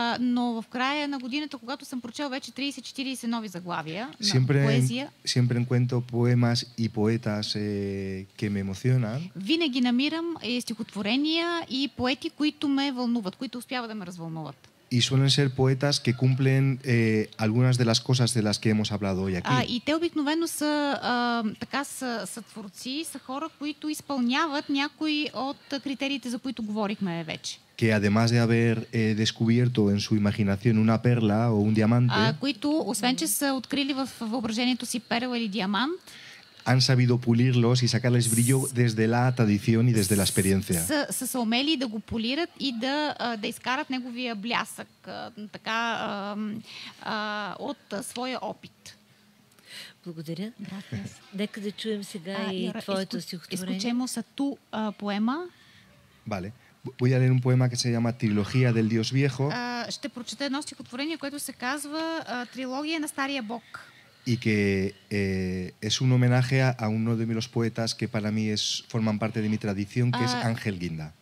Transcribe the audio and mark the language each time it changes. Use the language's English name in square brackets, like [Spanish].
[Bulgarian] но в края на годината, когато съм прочел вече 30-40 нови заглавия [Spanish] siempre, [Bulgarian] на поезия, [Spanish] siempre encuentro poemas y poetas que me emocionan. [Bulgarian] Винаги намирам стихотворения и поети, които ме вълнуват, които успяват да ме развълнуват. [Spanish] Y suelen ser poetas que cumplen algunas de las cosas de las que hemos hablado hoy aquí. [Bulgarian] Y те обикновено са така са творци, са хора, които изпълняват някои от критериите, за които говорихме вече. [Spanish] Que además de haber descubierto en su imaginación una perla o un diamante, [Bulgarian] които освен че са открили в въображението си перла или диамант, [Spanish] han sabido pulirlos y sacarles brillo desde la tradición y desde la experiencia. [Bulgarian] Са умели да го полират и да изкарат неговия блясък така от своя опит. Благодаря. Нека да чуем сега и твоето стихотворение. [Spanish] Escuchemos tu poema. Vale. Voy a leer un poema que se llama Trilogía del Dios Viejo. [Bulgarian] Ще прочета едно стихотворение, което се казва Трилогия на стария бог. [Spanish] Y que es un homenaje a uno de los poetas que para mí es forman parte de mi tradición, que es Ángel Guinda.